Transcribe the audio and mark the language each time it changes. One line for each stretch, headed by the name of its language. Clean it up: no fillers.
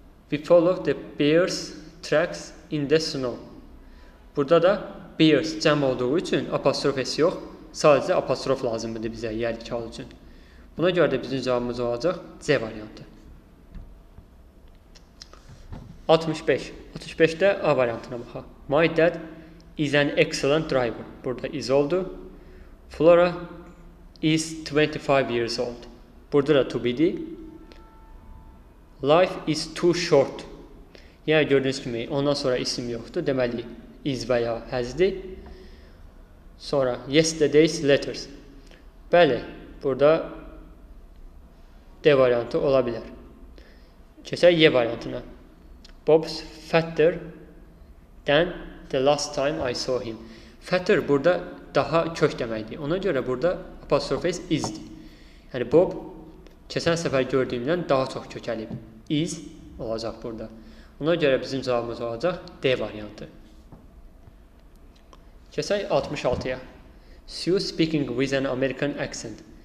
English: We follow the bear's tracks in the snow.
Azerbaijani: Burada da bears cəm olduğu üçün apostrof S yox. Sadəcə apostrof lazımdır bizə yəni ki al üçün. Buna görə də bizim cavabımız olacaq C variantı. 65. 65-də A variantına baxaq.
English: My dad is an excellent driver.
Azerbaijani: Burada is oldu.
English: Flora is 25 years old.
Azerbaijani: Burada da to be-di.
English: Life is too short.
Azerbaijani: Yəni gördüyünüz kimi ondan sonra isim yoxdur. Deməli is və ya has-di. Sonra
English: yesterday's letters.
Azerbaijani: Bəli, burada D variantı ola bilər. Keçək E variantına.
English: Bob's fatter than the last time I saw him.
Azerbaijani: Fatter burada daha kök deməkdir. Ona görə burada apostrof S is-dir. Yəni Bob keçən səfər gördüyümdən daha çox kökəlib. Is olacaq burada. Ona görə bizim cavabımız olacaq D variantı. Keçək 66-ya.
English: Sue speaking with an American accent.